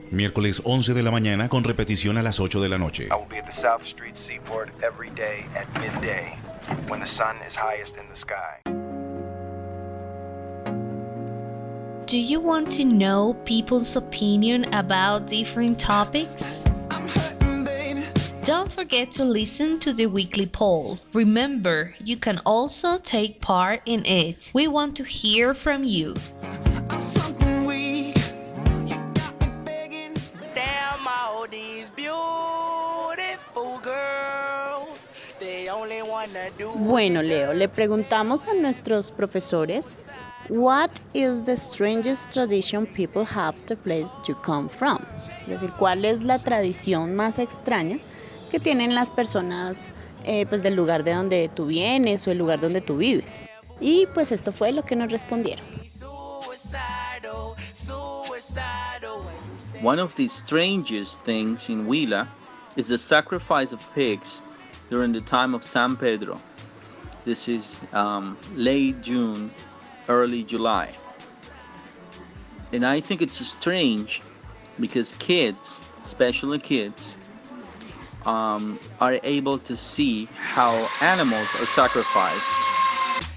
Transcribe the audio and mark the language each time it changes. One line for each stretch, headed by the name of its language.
Spanish: Miércoles 11 de la mañana con repetición a las 8 de la noche.
English: I will be at the South Street Seaport every day at midday when the sun is highest in the sky. Do you want to know people's opinion about different topics? Don't forget to listen to the weekly poll. Remember, you can also take part in it. We want to hear from you. I'm something weak. You got me begging. Damn all these beautiful girls. They only wanna do.
Spanish: Bueno, Leo, le preguntamos a nuestros profesores,
English: what is the strangest tradition people have the place you come from?
Spanish: Es decir, ¿cuál es la tradición más extraña que tienen las personas pues del lugar de donde tú vienes o el lugar donde tú vives? Y pues esto fue lo que nos respondieron.
English: One of the strangest things in Huila is the sacrifice of pigs during the time of San Pedro. This is late June, early July. And I think it's strange because kids, especially kids, are able to see how animals are sacrificed.